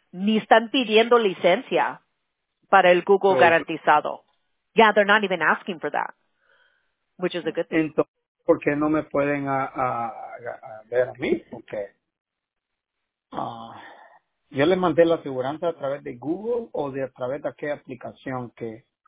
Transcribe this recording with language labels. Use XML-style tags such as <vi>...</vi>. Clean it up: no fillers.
<es>Ni están pidiendo licencia para el Google garantizado.</es> <en>Yeah, they're not even asking for that, which is a good thing.</en> <es>Entonces, ¿por qué no me pueden a ver a mí? Porque yo les mandé la aseguranza a través de Google o de a través de qué aplicación que...</es>